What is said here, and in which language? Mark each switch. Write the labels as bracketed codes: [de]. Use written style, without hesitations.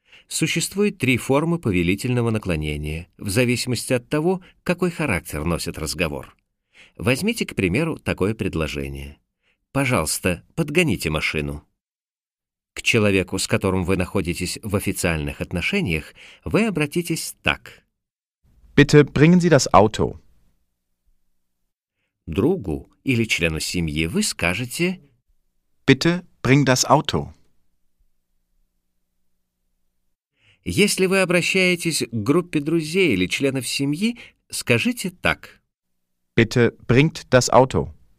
[ru] Существует три формы повелительного наклонения, в зависимости от того, какой характер носит разговор. Возьмите, к примеру, такое предложение. «Пожалуйста, подгоните машину». К человеку, с которым вы находитесь в официальных отношениях, вы обратитесь так. [de] «Bitte bringen Sie das Auto». [ru] Другу или члену семьи вы скажете [de] «Bitte bring das Auto». [ru] Если вы обращаетесь к группе друзей или членов семьи, скажите так. [de] Bitte bringt das Auto.